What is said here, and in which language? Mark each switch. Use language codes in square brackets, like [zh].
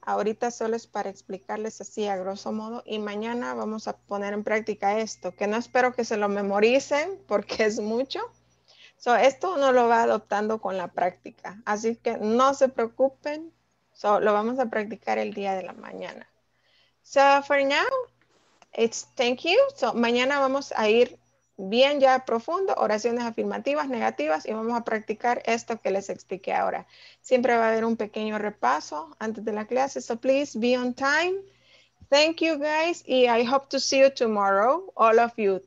[es] Ahorita solo es para explicarles así a grosso modo. Y mañana vamos a poner en práctica esto, que no espero que se lo memoricen porque es mucho. So, esto uno lo va adoptando con la práctica. Así que no se preocupen. So, lo vamos a practicar el día de la mañana. [en] So, for now, it's thank you. So, [es] mañana vamos a ir bien ya profundo, oraciones afirmativas, negativas, y vamos a practicar esto que les expliqué ahora. Siempre va a haber un pequeño repaso antes de la clase, [en] so please be on time. Thank you guys, y I hope to see you tomorrow, all of you.